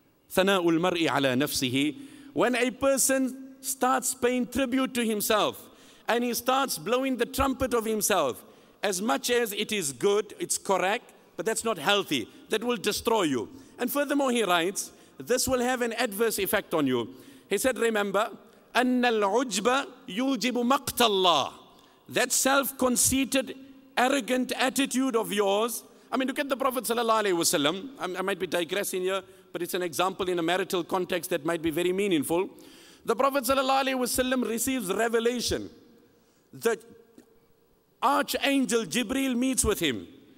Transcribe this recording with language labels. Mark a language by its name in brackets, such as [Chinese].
[English] Thana'ul mar'i ala nafsihi. When a person starts paying tribute to himself, and he starts blowing the trumpet of himself, as much as it is good, it's correct, but that's not healthy. That will destroy you. And furthermore, he writes, this will have an adverse effect on you. He said, remember, [Arabic] أَنَّ الْعُجْبَ يُوجِبُ مَقْتَ اللَّهِ. [English] That self-conceited, arrogant attitude of yours. I mean, look at the Prophet sallallahu alaihi wasallam. I might be digressing here, but it's an example in a marital context that might be very meaningful. The Prophet sallallahu alaihi wasallam receives revelation. The archangel Jibreel meets with him.